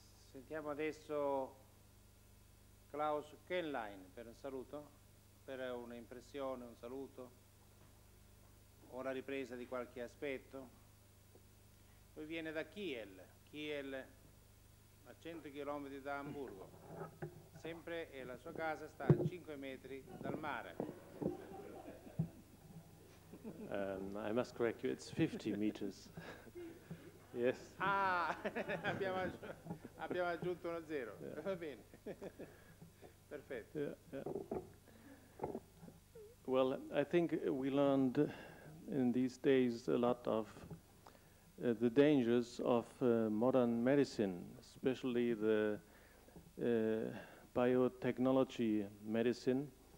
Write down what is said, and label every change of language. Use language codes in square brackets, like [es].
[it] Sentiamo adesso Klaus Kellein per un saluto, per un'impressione, un saluto, o la ripresa di qualche aspetto. Lui viene da Kiel, Kiel a 100 km da Amburgo, sempre, e la sua casa sta a 5 metri dal mare. [en] I must correct you, it's 50 meters. Yes. [it] Ah, abbiamo aggiunto uno zero. [en] Yeah. [it] Va bene. Perfetto. [en] Yeah, yeah. Well, I think we learned in these days a lot of the dangers of modern medicine, especially the biotechnology medicine.